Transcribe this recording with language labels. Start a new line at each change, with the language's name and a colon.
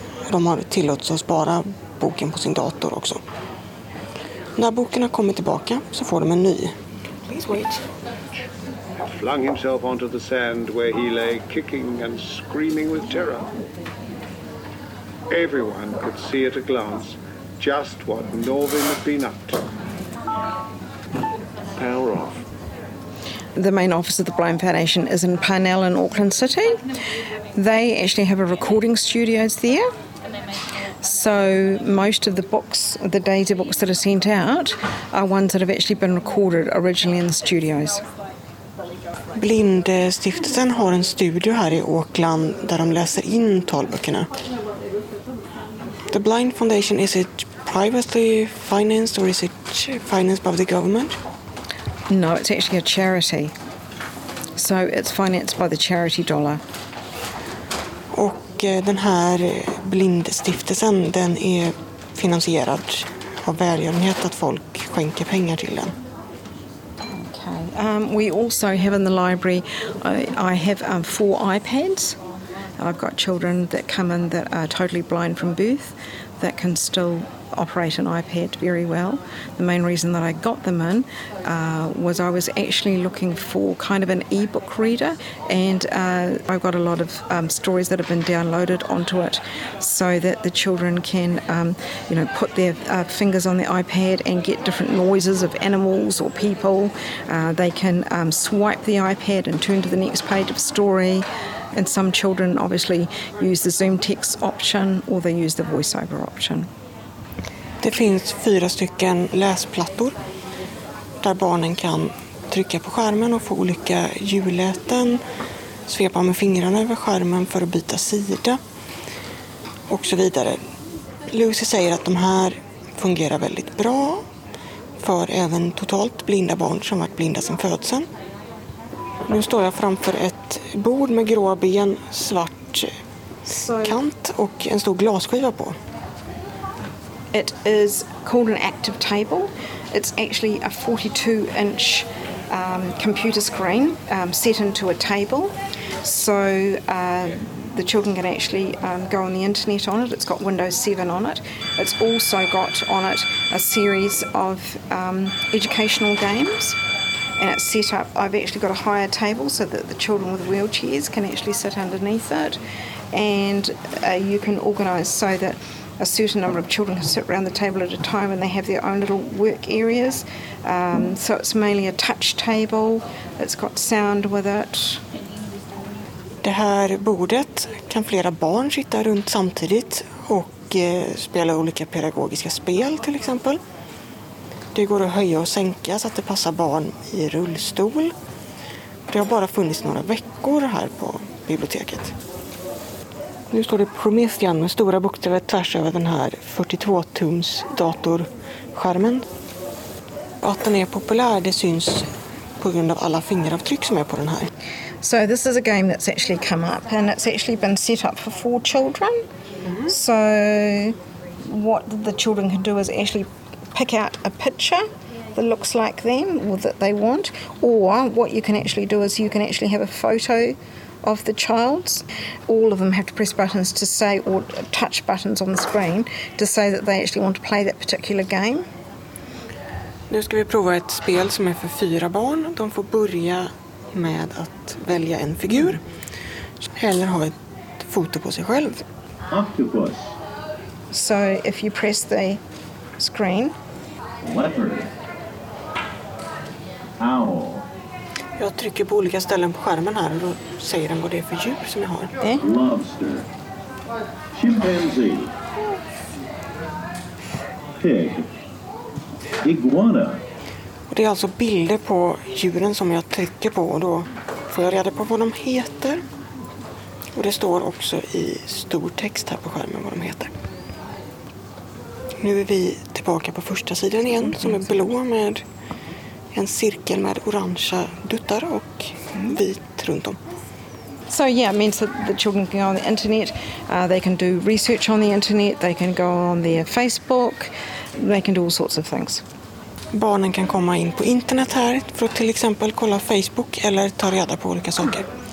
Swedish: De har tillåtelse att spara boken på sin dator också. När boken har kommit tillbaka så får de en ny.
English: Please wait. Flung himself onto the sand where he lay kicking and screaming with terror. Everyone could see at a glance just what Norvin had been up to. Power off. The main office of the Blind Foundation is in Parnell in Auckland City. They actually have a recording studios there. So most of the books, the data books that are sent out, are ones that have actually been recorded originally in the studios.
Swedish: Blindstiftelsen har en studio här i Auckland där de läser in talböckerna.
English: The Blind Foundation, is it privately financed or is it financed by the government? No, it's actually a charity. So it's financed by the charity dollar.
Swedish: Och den här blindstiftelsen, den är finansierad av välgörenhet att folk skänker pengar till den.
English: We also have in the library, I have four iPads. I've got children that come in that are totally blind from birth that can still operate an iPad very well. The main reason that I got them in was I was actually looking for kind of an e-book reader, and I've got a lot of stories that have been downloaded onto it so that the children can put their fingers on the iPad and get different noises of animals or people. They can swipe the iPad and turn to the next page of a story, and some children obviously use the Zoom text option or they use the voiceover option.
Swedish: Det finns fyra stycken läsplattor där barnen kan trycka på skärmen och få olika djurläten, svepa med fingrarna över skärmen för att byta sida och så vidare. Lucy säger att de här fungerar väldigt bra för även totalt blinda barn som varit blinda sedan födseln. Nu står jag framför ett bord med grå ben, svart kant och en stor glasskiva på.
English: It is called an active table. It's actually a 42-inch computer screen set into a table. So the children can actually go on the internet on it. It's got Windows 7 on it. It's also got on it a series of educational games. And it's set up, I've actually got a higher table so that the children with wheelchairs can actually sit underneath it. And you can organise so that a certain number of children can sit around the table at a time and they have their own little work areas. So it's mainly a touch table. It's got sound with it.
Swedish: Det här bordet kan flera barn sitta runt samtidigt och spela olika pedagogiska spel till exempel. Det går att höja och sänka så att det passar barn i rullstol. Det har bara funnits några veckor här på biblioteket. Nu står det Promethean med stora bokstäver tvärs över den här 42-tums datorskärmen. Att den är populär, det syns på grund av alla fingeravtryck som är på den här.
English: So this is a game that's actually come up and it's actually been set up for four children. So what the children can do is actually pick out a picture that looks like them or that they want, or what you can actually do is you can actually have a photo of the child's. All of them have to press buttons to say, or touch buttons on the screen to say that they actually want to play that particular game.
Swedish: Nu ska vi prova ett spel som är för fyra barn. De får börja med att välja en figur eller ha ett foto på sig själv.
English: octopus. So if you press the screen. Leopard. Owl.
Swedish: Jag trycker på olika ställen på skärmen här och då säger den vad det är för djur som jag har. Eh?
English: Lobster. Chimpanzee. Pig. Iguana.
Swedish: Och det är alltså bilder på djuren som jag trycker på och då får jag reda på vad de heter. Och det står också i stor text här på skärmen vad de heter. Nu är vi tillbaka på första sidan igen som är blå med en cirkel med orangea duttar och vit runt om.
English: So yeah, it means that the children can go on the internet. They can do research on the internet. They can go on their Facebook. They can do all sorts of things.
Swedish: Barnen kan komma in på internet här för att till exempel kolla Facebook eller ta reda på olika saker.